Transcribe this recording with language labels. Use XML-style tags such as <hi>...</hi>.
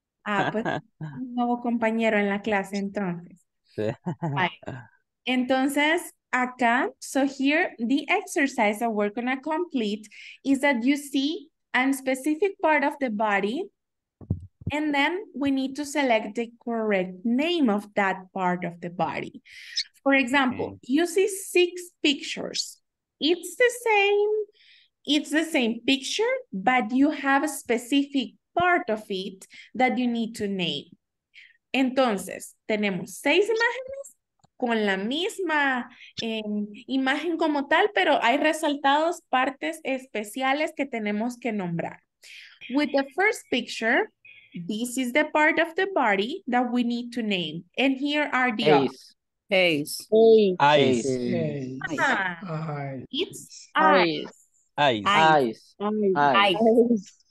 <es>Ah, pues un nuevo compañero en la clase, entonces. Sí. Entonces, acá,</es> <en>so here, the exercise that we're going to complete is that you see a specific part of the body, and then we need to select the correct name of that part of the body. For example, you see 6 pictures. It's the same picture, but you have a specific part of it that you need to name.</en> <es>Entonces, tenemos 6 imágenes con la misma imagen como tal, pero hay resaltados partes especiales que tenemos que nombrar.</es> <en>With the first picture, this is the part of the body that we need to name. And here are the eyes. Eyes. It's eyes. Eyes. Eyes.</en>